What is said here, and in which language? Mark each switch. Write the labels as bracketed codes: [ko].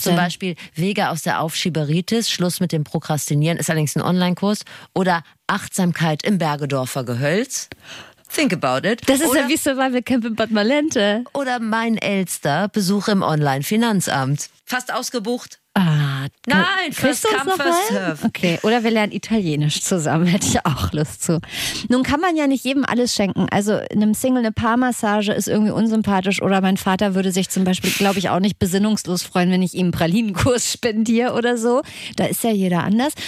[de] zum Beispiel Wege aus der Aufschieberitis, Schluss mit dem Prokrastinieren, ist allerdings ein Online-Kurs. Oder Achtsamkeit im Bergedorfer Gehölz. [en] Think about it. [de] Das ist ja wie Survival Camp in Bad Malente. Oder mein Elster, Besuch im Online-Finanzamt. Fast ausgebucht. Nein, [en] first come, first serve. [de] Okay, oder wir lernen Italienisch zusammen, hätte ich auch Lust zu. Nun kann man ja nicht jedem alles schenken. Also einem Single eine Paarmassage ist irgendwie unsympathisch oder mein Vater würde sich zum Beispiel, glaube ich, auch nicht besinnungslos freuen, wenn ich ihm einen Pralinenkurs spendiere oder so. Da ist ja jeder anders.